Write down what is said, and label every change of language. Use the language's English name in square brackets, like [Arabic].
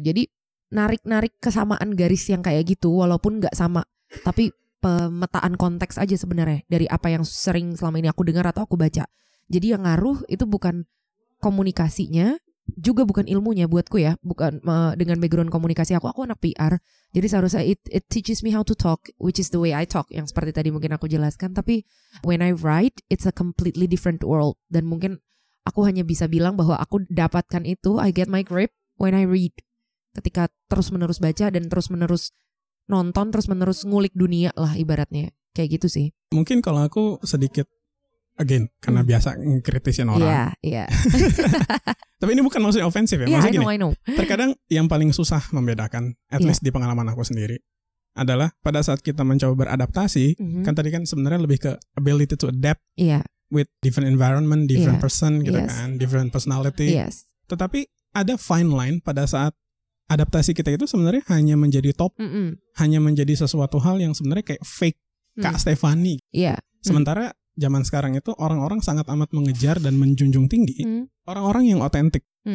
[Indonesian] Jadi narik-narik kesamaan garis yang kayak gitu, walaupun gak sama, tapi pemetaan konteks aja sebenarnya dari apa yang sering selama ini aku dengar atau aku baca. Jadi yang ngaruh itu bukan komunikasinya, juga bukan ilmunya buatku ya, bukan dengan background komunikasi aku anak PR. Jadi seharusnya [English] it teaches me how to talk, which is the way I talk, [Indonesian] yang seperti tadi mungkin aku jelaskan. Tapi [English] when I write, it's a completely different world. [Indonesian] Dan mungkin aku hanya bisa bilang bahwa aku dapatkan itu, [English] I get my grip when I read. [Indonesian] Ketika terus-menerus baca dan terus-menerus nonton, terus-menerus ngulik dunia lah ibaratnya. Kayak gitu sih. Mungkin kalau aku sedikit, again, karena biasa ngkritisin orang. Iya. Tapi ini bukan maksudnya ofensif ya. Maksudnya [English] I know. [Indonesian] Terkadang yang paling susah membedakan, at least di pengalaman aku sendiri, adalah pada saat kita mencoba beradaptasi, kan tadi kan sebenarnya lebih ke [English] ability to adapt. [Indonesian] Iya. [English] With different environment, different person [Indonesian] gitu kan, [English] different personality. Yes. [Indonesian] Tetapi ada fine line pada saat adaptasi kita itu sebenarnya hanya menjadi top, hanya menjadi sesuatu hal yang sebenarnya kayak fake Kak Stefani. Iya. Sementara zaman sekarang itu orang-orang sangat amat mengejar dan menjunjung tinggi orang-orang yang otentik.